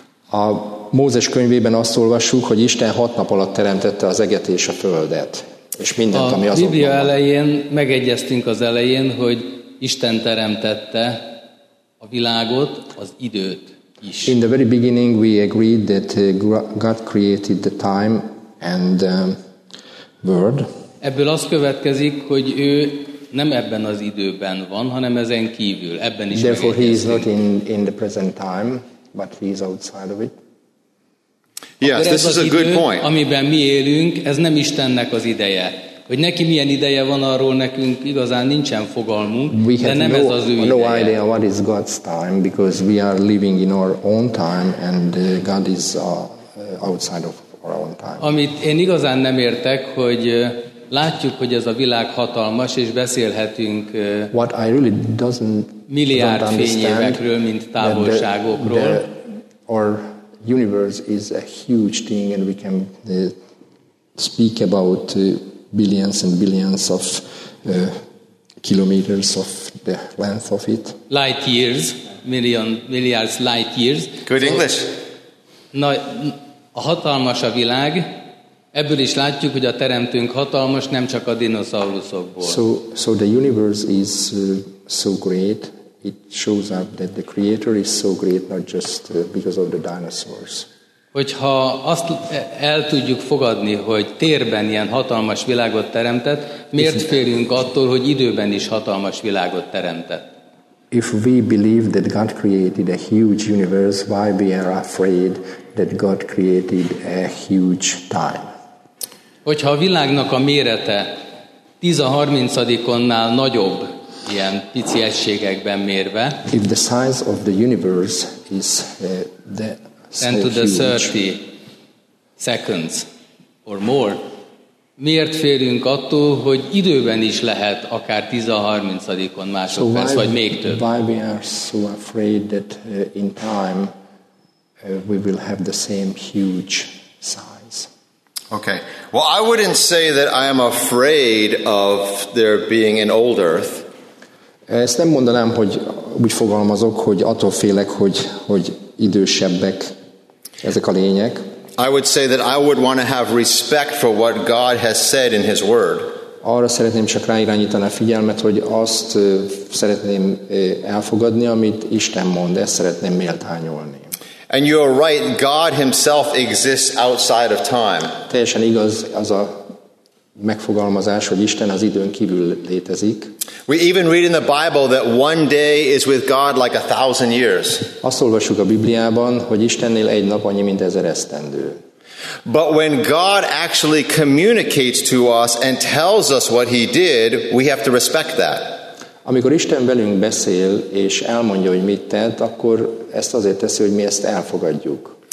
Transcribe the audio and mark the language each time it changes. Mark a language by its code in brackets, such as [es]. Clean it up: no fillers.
[hu] A Mózes könyvében azt olvassuk, hogy Isten 6 nap alatt teremtette az eget és a földet, és mindent, ami azokban van. A Biblia elején megegyeztünk az elején, hogy Isten teremtette a világot, az időt. [en] In the very beginning we agreed that God created the time and word. [hu] Ebből az következik, hogy ő nem ebben az időben van, hanem ezen kívül, ebben is. [en] Therefore he is not in the present time, but he is outside of it. Yes, this is a good point. [hu] Amiben mi élünk, ez nem Istennek az ideje. Hogy neki milyen ideje van, arról nekünk igazán nincsen fogalmunk, [en] we [hu] de nem [en] no, [hu] ez az ő ideje. [en] No idea what is God's time, because we are living in our own time, and God is outside of our own time. [hu] Amit én igazán nem értek, hogy látjuk, hogy ez a világ hatalmas, és beszélhetünk [en] what I really doesn't, [hu] milliárd fényévekről, mint távolságokról. [en] Our universe is a huge thing, and we can speak about billions and billions of kilometers of the length of it. Light years, million, milliards light years. Good English. [hu] Na, a hatalmas a világ. Ebből is látjuk, hogy a teremtőnk hatalmas, nem csak a dinoszauruszokból. [en] So the universe is so great. It shows up that the creator is so great, not just because of the dinosaurs. [hu] Hogyha azt el tudjuk fogadni, hogy térben ilyen hatalmas világot teremtett, miért félünk attól, hogy időben is hatalmas világot teremtett? [en] If we believe that God created a huge universe, why we are afraid that God created a huge time? [hu] Hogyha a világnak a mérete 10-30-onnál nagyobb, ilyen pici egységekben mérve, [en] if the size of the universe is the 10 to the 30 seconds or more. [hu] Miért félünk attól, hogy időben is lehet akár 10-30-on másodperc, vagy még több? [en] Why we are so afraid that in time we will have the same huge size? Okay. Well, I wouldn't say that I am afraid of there being an old earth. [hu] Ezt nem mondanám, hogy úgy fogalmazok, hogy attól félek, hogy idősebbek. Ezek a lények. [en] I would say that I would want to have respect for what God has said in His Word. [hu] Arra szeretném csak ráirányítani a figyelmet, hogy azt szeretném elfogadni, amit Isten mond, ezt szeretném méltányolni. [en] And you are right, God Himself exists outside of time. [hu] Teljesen igaz az a megfogalmazás, hogy Isten az időn kívül létezik. [en] We even read in the Bible that one day is with God like 1,000 years. [hu] Azt olvassuk a Bibliában, hogy Istennél egy nap annyi, mint 1,000 esztendő. [en] But when God actually communicates to us and tells us what He did, we have to respect that. [hu] Amikor Isten velünk beszél és elmondja, hogy mit tett, akkor ezt azért teszi, hogy mi ezt elfogadjuk.